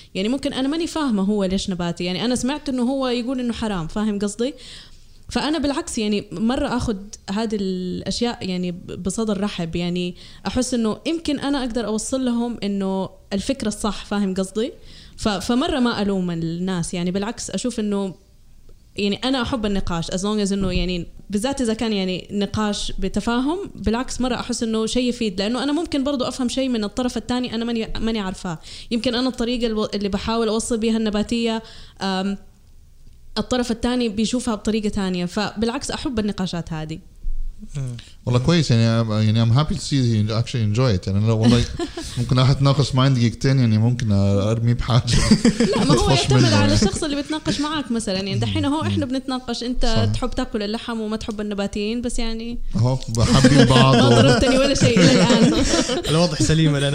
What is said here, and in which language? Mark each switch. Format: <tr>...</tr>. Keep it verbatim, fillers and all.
<ar>يعني ممكن انا ماني فاهمه هو ليش نباتي، يعني انا سمعت انه هو يقول انه حرام، فاهم قصدي؟ فانا بالعكس يعني مره اخذ هذه الاشياء يعني بصدر رحب، يعني احس انه يمكن انا اقدر اوصل لهم انه الفكره الصح، فاهم قصدي؟ فمره ما الوم الناس، يعني بالعكس اشوف انه يعني انا احب النقاش</ar> <en>as long as</en> <ar>انه يعني بالذات اذا كان يعني نقاش بتفاهم، بالعكس مره احس انه شيء يفيد، لانه انا ممكن برضو افهم شيء من الطرف الثاني انا ماني ماني عارفاه. يمكن انا الطريقه اللي بحاول اوصل بيها النباتيه الطرف الثاني بيشوفها بطريقه ثانيه، فبالعكس احب النقاشات هذه. والله كويس، يعني يعني</ar> <en>I'm happy to see you actually enjoy it.</en> <ar>يعني والله ممكن أحد تناقش معي دقيقتين يعني ممكن أرمي بحاجة. لا ما هو يعتمد على الشخص اللي بتناقش معك مثلا، يعني دحين هو إحنا بنتناقش، أنت صح. تحب تأكل اللحم وما تحب النباتيين، بس يعني هو حابين بعض. ما ضربتني ولا شيء إلى الآن. الوضع سليم لأن</ar>